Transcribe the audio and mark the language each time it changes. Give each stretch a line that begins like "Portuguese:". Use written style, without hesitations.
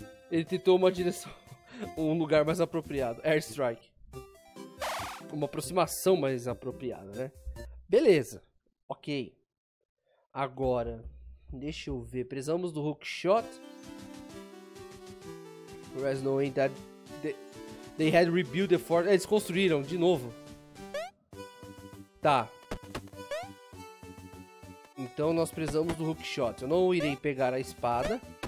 Portuguese: Ele tentou uma direção. Um lugar mais apropriado. Airstrike. Uma aproximação mais apropriada, né? Beleza. Ok. Agora, deixa eu ver. Precisamos do hookshot.
English: Whereas knowing that they had rebuilt the fort.
Portuguese: Eles construíram de novo. Tá. Então nós precisamos do hookshot. Eu não irei pegar a espada.